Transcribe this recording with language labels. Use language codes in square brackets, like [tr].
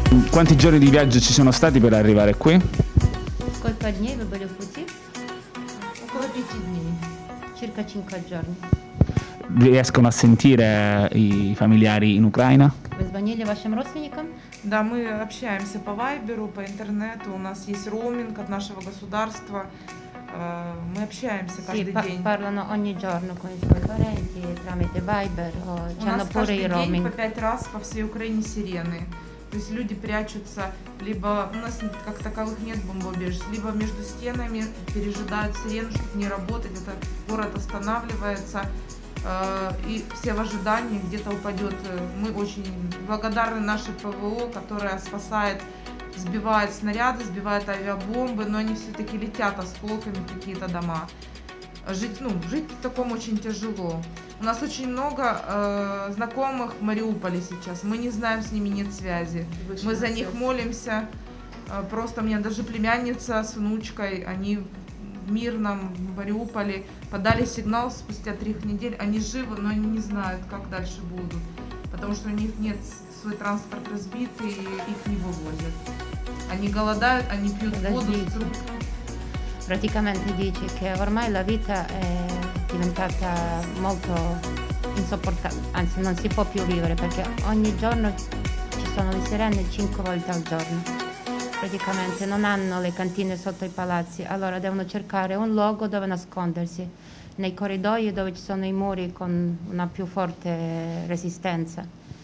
[it] Quanti giorni di viaggio ci sono stati per arrivare qui? Colpa di neve, bello così. 14 giorni, circa 5 giorni. Riescono a sentire i familiari in Ucraina? [ru] Ви звонили вашим родственникам? Да, мы общаемся по Вайберу, по интернету. У нас есть роуминг от нашего государства. Мы общаемся каждый день. Sì, parlano ogni giorno con i suoi parenti tramite Viber. У нас каждый день по 5 раз по всей Украине сирены. То есть люди прячутся, либо у нас как таковых нет бомбоубежищ, либо между стенами пережидают сирену, чтобы не работать, это город останавливается, и все в ожидании где-то упадет. Мы очень благодарны нашей ПВО, которая спасает, сбивает снаряды, сбивает авиабомбы, но они все-таки летят осколками в какие-то дома. Жить в таком очень тяжело. У нас очень много знакомых в Мариуполе сейчас. Мы не знаем, с ними нет связи. Мы за них молимся. Просто у меня даже племянница с внучкой, они в Мирном, в Мариуполе, подали сигнал спустя 3 недели. Они живы, но они не знают, как дальше будут. Потому что у них нет, свой транспорт разбит, и их не вывозят. Они голодают, они пьют воду с труб. [it] Praticamente dici che ormai la vita è diventata molto insopportabile, anzi non si può più vivere perché ogni giorno ci sono le sirene 5 volte al giorno. Praticamente non hanno le cantine sotto i palazzi, allora devono cercare un luogo dove nascondersi, nei corridoi dove ci sono i muri con una più forte resistenza.